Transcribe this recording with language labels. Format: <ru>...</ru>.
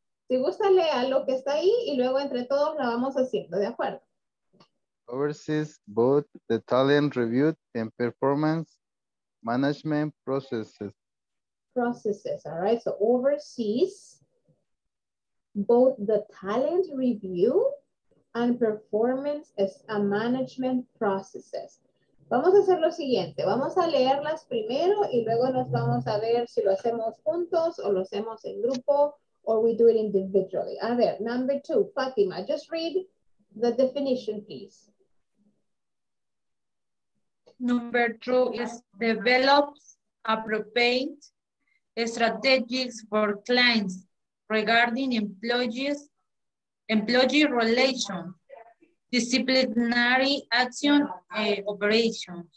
<es>Si gusta, lea lo que está ahí y luego entre todos la vamos haciendo, ¿de acuerdo?</es> <en>Oversees both the talent review and performance management processes. Processes, all right. So oversees both the talent review and performance and management processes.</en> <es>Vamos a hacer lo siguiente. Vamos a leerlas primero y luego nos vamos a ver si lo hacemos juntos o lo hacemos en grupo</es> <en>or we do it individually.</en> <es>A ver,</es> <en>number two, Fatima, just read the definition, please. Number two is develops appropriate strategies for clients regarding employee relations, disciplinary action, operations.</en>